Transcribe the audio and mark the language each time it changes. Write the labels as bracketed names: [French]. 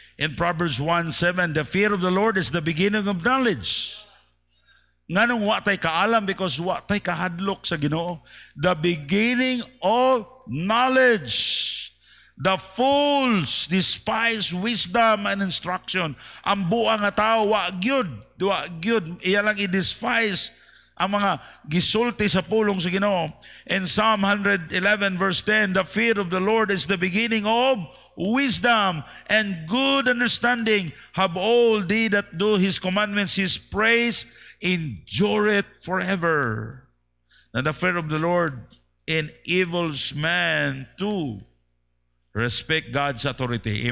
[English] In Proverbs 1:7, the fear of the Lord is the beginning of knowledge. [Cebuano] Nganong wa tay kaalam [English] because [Cebuano] wa tay kahadlok sa Ginoo. [English] The beginning of knowledge. The fools despise wisdom and instruction. [Cebuano] Ang buo nga tao wa gyud iya lang i-despise ang mga gisulti sa pulong sa Ginoo. [English] In Psalm 111 verse 10, the fear of the Lord is the beginning of wisdom and good understanding have all thee that do His commandments. His praise endureth forever. Now the fear of the Lord in evils man to respect God's authority.